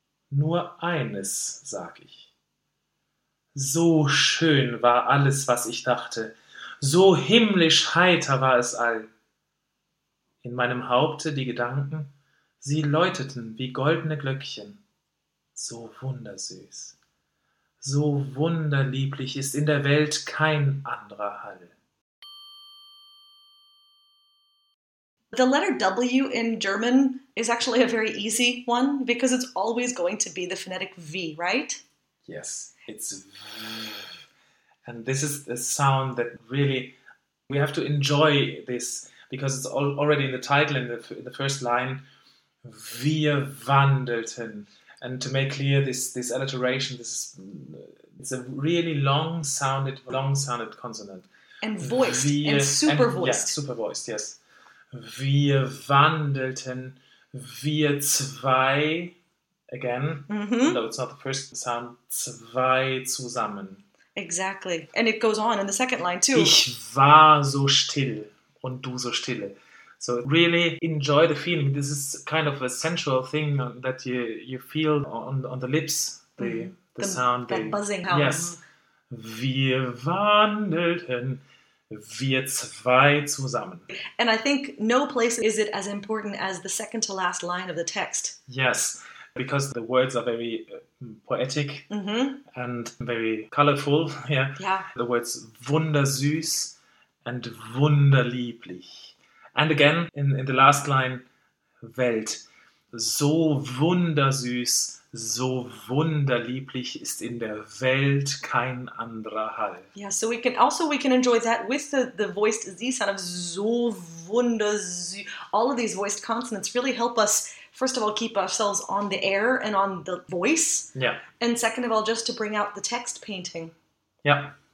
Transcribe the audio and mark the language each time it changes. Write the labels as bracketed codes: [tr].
[de] Nur eines sag ich. So schön war alles, was ich dachte, so himmlisch heiter war es all. In meinem Haupte die Gedanken, sie läuteten wie goldene Glöckchen, so wundersüß. So wunderlieblich ist in der Welt kein anderer Hall. [en] The letter W in German is actually a very easy one because it's always going to be the phonetic V, right? Yes, it's V. And this is a sound that really, we have to enjoy this because it's already in the title, in the first line, [de] Wir wandelten. [en] And to make clear this alliteration, it's a really long-sounded consonant. And voiced, super-voiced. Yeah, super-voiced, yes. [de] Wir wandelten, wir zwei, [en] again, [de] mm-hmm. [en] No, it's not the first sound, [de] zwei zusammen. [en] Exactly, and it goes on in the second line too. [de] Ich war so still und du so stille. [en] So really enjoy the feeling. This is kind of a sensual thing that you feel on the lips, the sound. That buzzing house. Yes. [de] Wir wandelten, wir zwei zusammen. [en] And I think no place is it as important as the second to last line of the text. Yes, because the words are very poetic and very colorful. Yeah. The words wundersüß and wunderlieblich. And again, in the last line, Welt. [de] So wundersüß, so wunderlieblich ist in der Welt kein anderer Hall. [en] Yeah, so we can enjoy that with the voiced Z sound of [de] so wundersüß. [en] All of these voiced consonants really help us, first of all, keep ourselves on the air and on the voice. Yeah. And second of all, just to bring out the text painting. Yeah.